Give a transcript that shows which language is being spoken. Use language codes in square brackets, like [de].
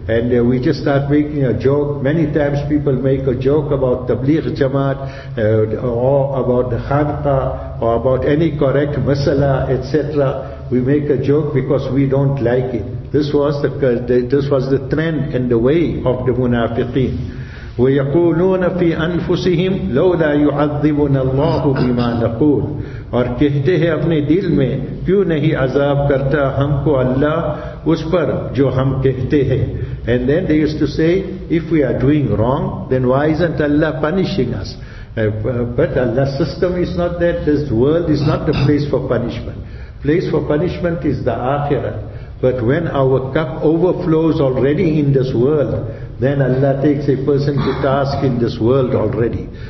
[en] And we just start making a joke. Many times people make a joke about Tabligh Jamaat or about the Khanqa or about any correct Masala, etc. We make a joke because we don't like it. This was the trend and the way of the munafiqeen. [ar] وَيَقُولُونَ فِي أَنفُسِهِمْ لَوْ لَا يُعَذِّبُنَ اللَّهُ بِمَا نَقُولُ [ur] اور کہتے ہیں اپنے دل میں کیوں نہیں عذاب کرتا ہم کو اللہ اس پر جو ہم کہتے ہیں. [en] And then they used to say, if we are doing wrong, then why isn't Allah punishing us? But Allah's system is not that. This world is not the place for punishment. Place for punishment is the Akhirah. But when our cup overflows already in this world, then Allah takes a person to task in this world already.